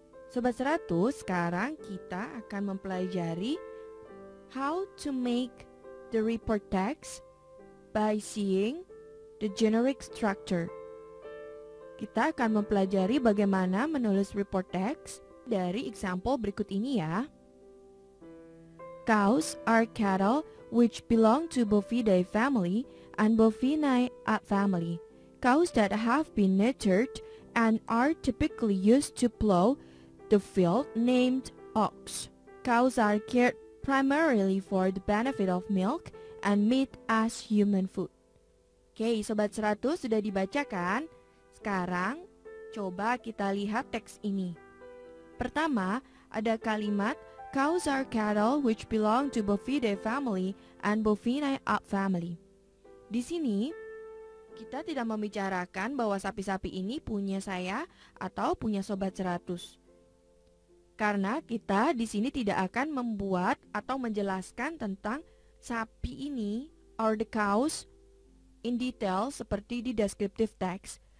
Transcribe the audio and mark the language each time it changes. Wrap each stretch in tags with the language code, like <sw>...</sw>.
<en>Sobat 100,</en> <id>sekarang kita akan mempelajari</id> <en>how to make the report text by seeing the generic structure.</en> <id>Kita akan mempelajari bagaimana menulis report text dari example berikut ini ya.</id> <en>Cows are cattle which belong to Bovidae family and Bovinae family. Cows that have been neutered and are typically used to plow the field named ox. Cows are cared primarily for the benefit of milk and meat as human food.</en> <id>Oke, Sobat 100 sudah dibaca kan? Sekarang coba kita lihat teks ini. Pertama, ada kalimat</id> <en>cows are cattle which belong to Bovidae family and Bovinae family.</en> <id>Di sini kita tidak membicarakan bahwa sapi-sapi ini punya saya atau punya Sobat 100. Karena kita di sini tidak akan membuat atau menjelaskan tentang sapi ini</id> <en>or the cows in detail</en> <id>seperti di descriptive text.</id>